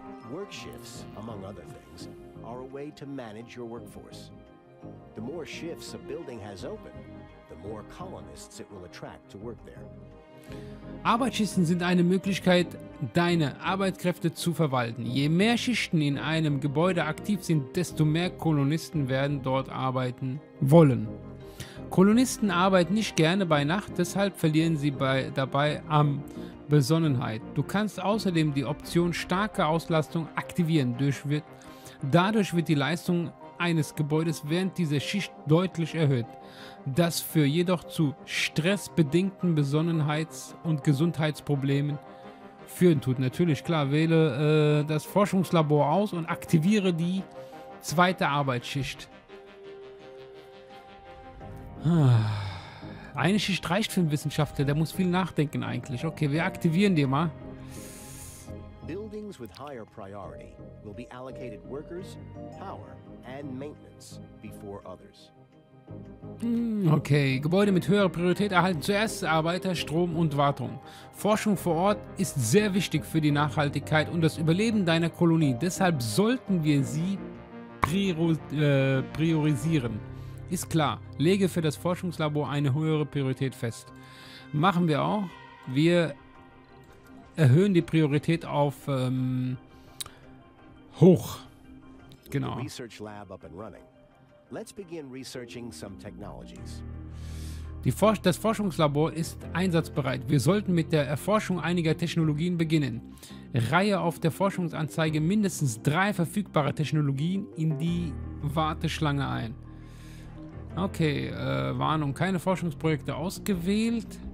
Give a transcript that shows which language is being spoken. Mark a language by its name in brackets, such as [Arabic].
[English] Workshifts, among other things, are a way to manage your workforce. The more shifts a building has open, the more colonists it will attract to work there. [German] Arbeitsschichten sind eine Möglichkeit, deine Arbeitskräfte zu verwalten. Je mehr Schichten in einem Gebäude aktiv sind, desto mehr Kolonisten werden dort arbeiten wollen. Kolonisten arbeiten nicht gerne bei Nacht, deshalb verlieren sie dabei an Besonnenheit. Du kannst außerdem die Option starke Auslastung aktivieren. Dadurch wird die Leistung eines Gebäudes während dieser Schicht deutlich erhöht. Das führt jedoch zu stressbedingten Besonnenheits- und Gesundheitsproblemen. Führen tut natürlich klar, wähle das Forschungslabor aus und aktiviere die zweite Arbeitsschicht. Eine Schicht reicht für einen Wissenschaftler, der muss viel nachdenken eigentlich. Okay, wir aktivieren die mal. [English] Buildings with higher priority will be allocated workers, power and maintenance before others. [German] Okay, Gebäude mit höherer Priorität erhalten zuerst Arbeiter, Strom und Wartung. Forschung vor Ort ist sehr wichtig für die Nachhaltigkeit und das Überleben deiner Kolonie. Deshalb sollten wir sie priorisieren. Ist klar, lege für das Forschungslabor eine höhere Priorität fest. Machen wir auch. Wir erhöhen die Priorität auf hoch. Genau. [English] Research Lab up and running. Let's begin researching some technologies. [German] Das Forschungslabor ist einsatzbereit. Wir sollten mit der Erforschung einiger Technologien beginnen. Reihe auf der Forschungsanzeige mindestens 3 verfügbare Technologien in die Warteschlange ein. Okay, Warnung, keine Forschungsprojekte ausgewählt.